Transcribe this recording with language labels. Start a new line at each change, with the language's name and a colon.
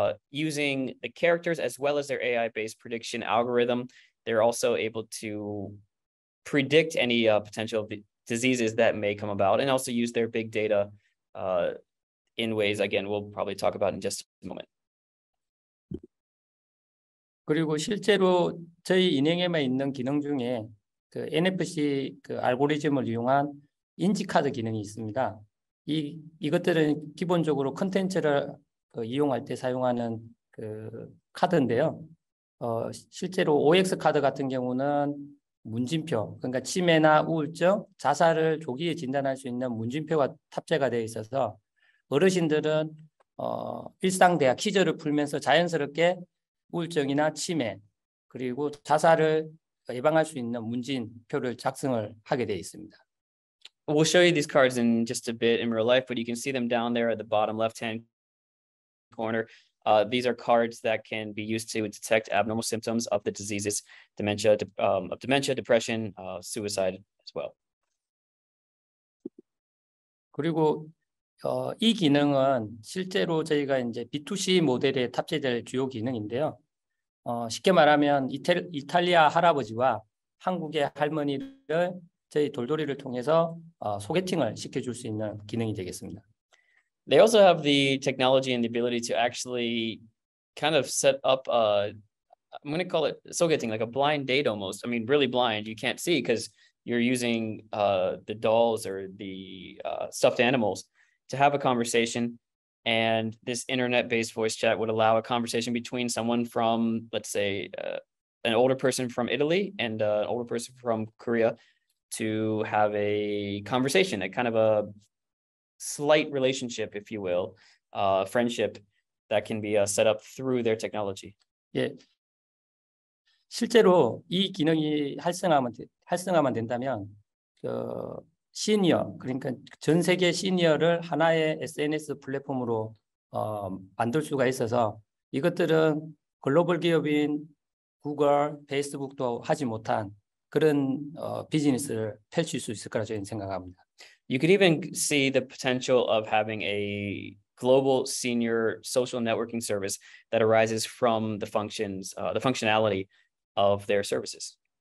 English: Using the characters as well as their AI-based prediction algorithm, they're also able to predict any potential diseases that may come about and also use their big data in ways, again, we'll probably talk about in just a moment.
Korean: 그리고 실제로 저희 인형에만 있는 기능 중에 그 NFC 그 알고리즘을 이용한 인지카드 기능이 있습니다. 이것들은 기본적으로 콘텐츠를 그 이용할 때 사용하는 그 카드인데요. 실제로 OX 카드 같은 경우는 문진표, 그러니까 치매나 우울증, 자살을 조기에 진단할 수 있는 문진표가 탑재가 되어 있어서 어르신들은 일상 대화 퀴즈를 풀면서 자연스럽게 우울증이나 치매 그리고 자살을 예방할 수 있는 문진표를 작성을 하게 되어 있습니다.
English: We'll show you these cards in just a bit in real life, but you can see them down there at the bottom left-hand corner. These are cards that can be used to detect abnormal symptoms of the diseases, dementia, depression, suicide as well.
Korean: 그리고 이 기능은 실제로 저희가 이제 B2C 모델에 탑재될 주요 기능인데요. 쉽게 말하면 이탈리아 할아버지와 한국의 할머니를 저희 돌돌이를 통해서 소개팅을 시켜줄 수 있는 기능이 되겠습니다.
English: They also have the technology and the ability to actually kind of set up a, I'm going to call it soketing, like a blind date almost. I mean, really blind. You can't see because you're using the dolls or the stuffed animals to have a conversation. And this internet-based voice chat would allow a conversation between someone from, let's say, an older person from Italy and an older person from Korea to have a conversation, a kind of a slight relationship, if you will, friendship that can be set up through their technology.
Korean: 예, 실제로 이 기능이 활성화만 된다면 그 시니어 그러니까 전 세계 시니어를 하나의 SNS 플랫폼으로 만들 수가 있어서 이것들은 글로벌 기업인 구글, 페이스북도 하지 못한 그런 비즈니스를 펼칠 수 있을 거라 저는 생각합니다.
English: You could even see the potential of having a global senior social networking service that arises from the functions, the functionality of their services.